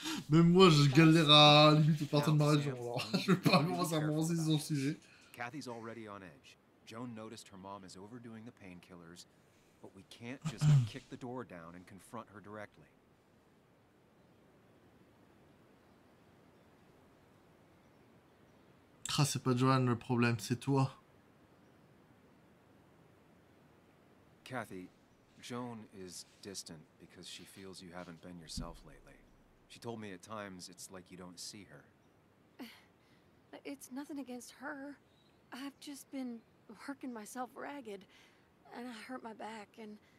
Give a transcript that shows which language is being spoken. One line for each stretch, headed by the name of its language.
French: Même moi, je galère à limite au partant de ma région. Je ne vais pas commencer à m'avancer sur le sujet.
English: Kathy's already on edge. Joan noticed her mom is overdoing the painkillers, but we can't just kick the door down and confront her directly.
French: Ah, c'est pas Joan le problème, c'est toi.
English: Kathy, Joan is distant because she feels you haven't been yourself lately. She told me at times it's like you don't see her. It's nothing against her. I've just been working myself ragged, and I hurt my back, and...